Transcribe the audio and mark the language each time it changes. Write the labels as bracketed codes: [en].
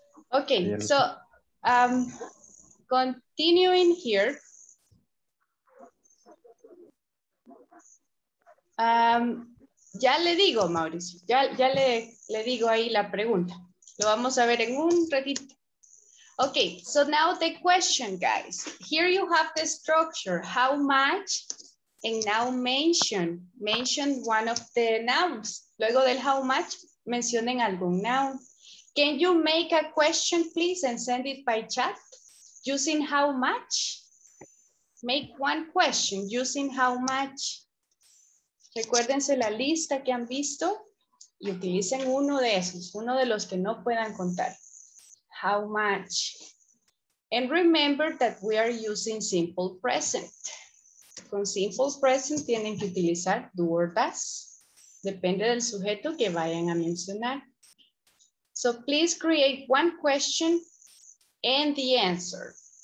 [en] Ok, so, continuing here. [es] Ya le digo, Mauricio, ya le digo ahí la pregunta. Lo vamos a ver en un ratito. [en] Okay, so now the question, guys. Here you have the structure, how much, and now mention. Mention one of the nouns. [es] Luego del [en] how much, [es] mencionen algún [en] noun. Can you make a question, please, and send it by chat using how much? Make one question using how much. [es] Recuérdense la lista que han visto y utilicen uno de esos, uno de los que no puedan contar. [en] How much? And remember that we are using simple present. [es] Con simple present tienen que utilizar [en] do or does. [es] Depende del sujeto que vayan a mencionar. [en] So please create one question and the answer.